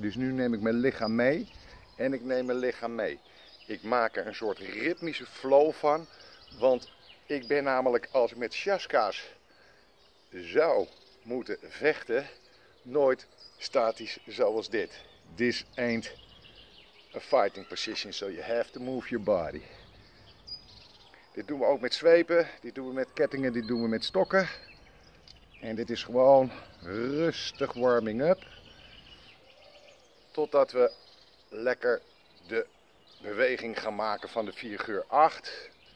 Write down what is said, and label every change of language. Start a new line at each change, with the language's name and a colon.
Dutch: Dus nu neem ik mijn lichaam mee en ik neem mijn lichaam mee. Ik maak er een soort ritmische flow van, want ik ben namelijk als ik met shaska's zou moeten vechten, nooit statisch zoals dit.
English: This ain't a fighting position, so you have to move your body.
Dutch: Dit doen we ook met zwepen, dit doen we met kettingen, dit doen we met stokken. En dit is gewoon rustig warming up. totdat we lekker de beweging gaan maken van de figuur 8.